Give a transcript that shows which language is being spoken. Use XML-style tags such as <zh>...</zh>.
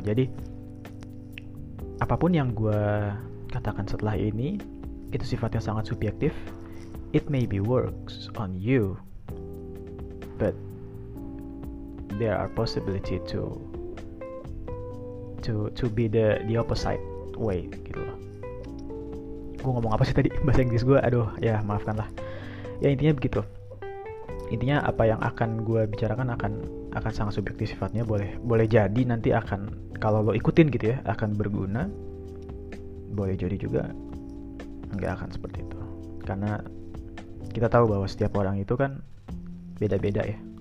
<id>Jadi apapun yang gue katakan setelah ini itu sifatnya sangat subjektif.</id> <en>It may be works on you, but there are possibility to be the opposite way</en> <id>gitu loh. Gua ngomong apa sih tadi, bahasa Inggris gua, aduh ya maafkanlah. Ya intinya begitu. Intinya apa yang akan gua bicarakan akan sangat subjektif sifatnya, boleh jadi nanti akan, kalau lo ikutin gitu ya, akan berguna. Boleh jadi juga nggak akan seperti itu, karena kita tahu bahwa setiap orang itu kan beda-beda ya.</id>